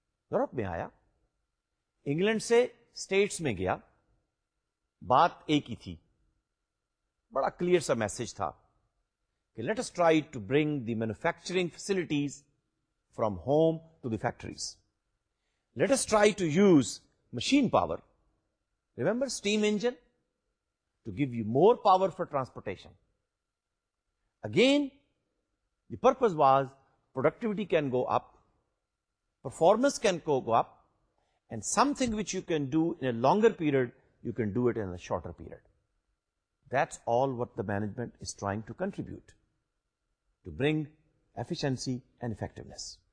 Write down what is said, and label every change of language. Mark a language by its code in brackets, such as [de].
[ur] Europe میں آیا, England سے اسٹیٹس میں گیا, بات ایک ہی تھی, بڑا کلیئر سا میسج تھا [en] کہ let us try to bring the manufacturing facilities from home to the factories, let us try to use machine power, remember steam engine, to give you more power for transportation. Again the purpose was productivity can go up, performance can go up, and something which you can do in a longer period you can do it in a shorter period. That's all what the management is trying to contribute, to bring efficiency and effectiveness.